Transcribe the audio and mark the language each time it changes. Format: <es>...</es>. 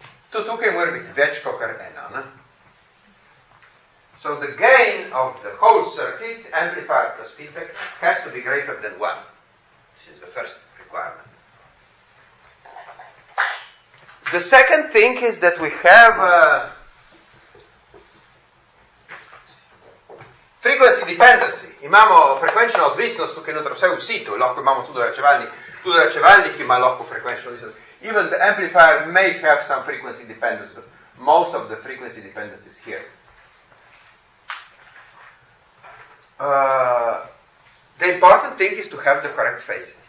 <sl>To tukaj mora biti več kakor ena. Ne?</sl> <en>So the gain of the whole circuit, amplifier plus feedback, has to be greater than one. This is the first requirement. The second thing is that we have frequency dependency.</en> <sl>Imamo frekvenčno odvisnost, tukaj notri vse vsi tu, lahko imamo tudi ojačevalnik ima lahko frekvenčno odvisnost.</sl> <en>Even the amplifier may have some frequency dependence, but most of the frequency dependence is here. The important thing is to have the correct phase.</en>